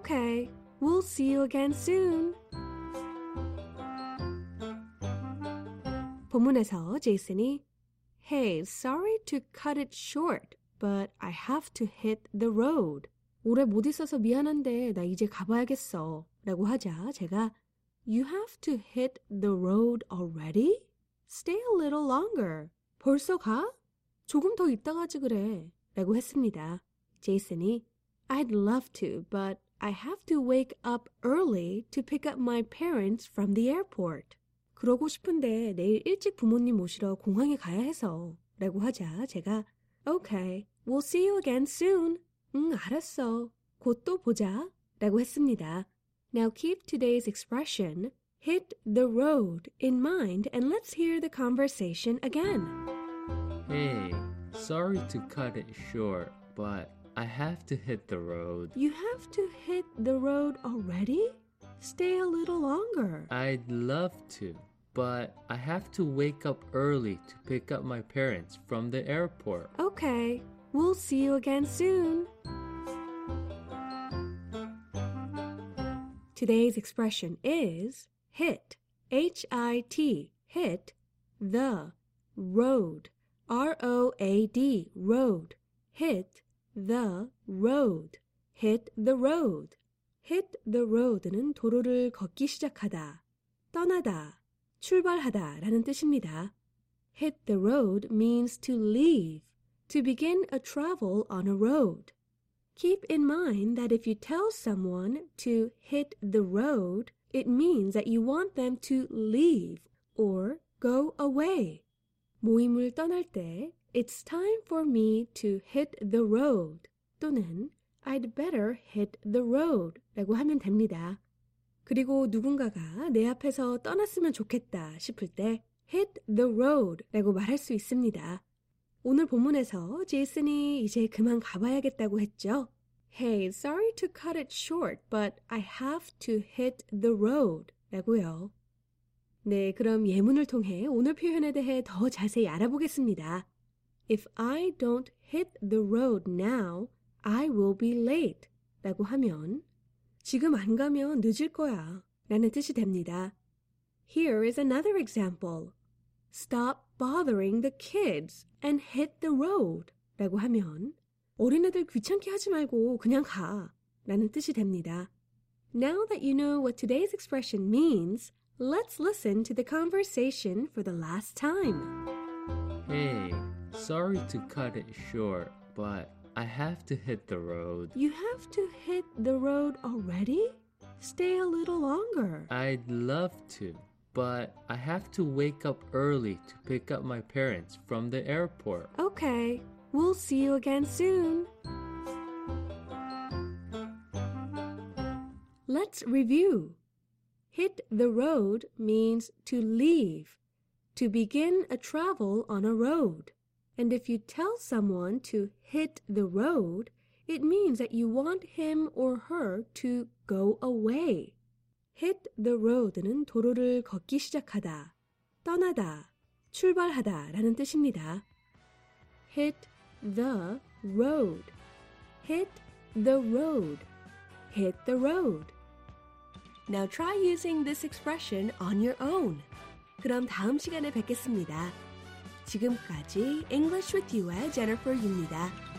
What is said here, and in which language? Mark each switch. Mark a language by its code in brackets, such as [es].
[ko] 배울 영어 표현은 [en] hit the road. But first we will listen to today's conversation. Listen carefully. Hey, sorry to cut it short, but I have to hit the road. You have to hit the road already? Stay a little longer. I'd love to, but I have to wake up early to pick up my parents from the airport. Okay, we'll see you again soon. [ko] 본문에서 제이슨이 [en] Hey, sorry to cut it short, but I have to hit the road. [ko] 오래 못 있어서 미안한데 나 이제 가봐야겠어 라고 하자 제가 [en] You have to hit the road already? Stay a little longer. [ko] 벌써 가? 조금 더 있다가지 그래 라고 했습니다. 제이슨이 [en] I'd love to, but I have to wake up early to pick up my parents from the airport. [ko] 그러고 싶은데 내일 일찍 부모님 모시러 공항에 가야 해서 라고 하자 제가 [en] Okay, we'll see you again soon. [ko] 응, 알았어. 곧 또 보자 라고 했습니다. [en] Now keep today's expression, hit the road, in mind and let's hear the conversation again. Hey, sorry to cut it short, but I have to hit the road. You have to hit the road already? Stay a little longer. I'd love to. But I have to wake up early to pick up my parents from the airport. Okay, we'll see you again soon. Today's expression is hit, H-I-T, hit the road, R-O-A-D, road, hit the road, hit the road. [ko] Hit the road는 도로를 걷기 시작하다, 떠나다. 출발하다 라는 뜻입니다. [en] Hit the road means to leave. to begin a travel on a road. Keep in mind that if you tell someone to hit the road, it means that you want them to leave or go away. [ko] 모임을 떠날 때, [en] it's time for me to hit the road [ko] 또는 [en] I'd better hit the road [ko] 라고 하면 됩니다. 그리고 누군가가 내 앞에서 떠났으면 좋겠다 싶을 때 hit the road 라고 말할 수 있습니다. 오늘 본문에서 제이슨이 이제 그만 가봐야겠다고 했죠. [en] Hey, sorry to cut it short, but I have to hit the road [ko] 라고요. 네, 그럼 예문을 통해 오늘 표현에 대해 더 자세히 알아보겠습니다. [en] If I don't hit the road now, I will be late [ko] 라고 하면 지금 안 가면 늦을 거야 라는 뜻이 됩니다. [en] Here is another example. Stop bothering the kids and hit the road [ko] 라고 하면 어린애들 귀찮게 하지 말고 그냥 가 라는 뜻이 됩니다. [en] Now that you know what today's expression means, let's listen to the conversation for the last time. Hey, sorry to cut it short, but I have to hit the road. You have to hit the road already? Stay a little longer. I'd love to, but I have to wake up early to pick up my parents from the airport. Okay, we'll see you again soon. Let's review. Hit the road means to leave, to begin a travel on a road. And if you tell someone to hit the road, it means that you want him or her to go away. [ko] Hit the road는 도로를 걷기 시작하다, 떠나다, 출발하다 라는 뜻입니다. [en] Hit the road. Hit the road. Hit the road. Now try using this expression on your own. [ko] 그럼 다음 시간에 뵙겠습니다. 지금까지 English with You의 Jennifer입니다.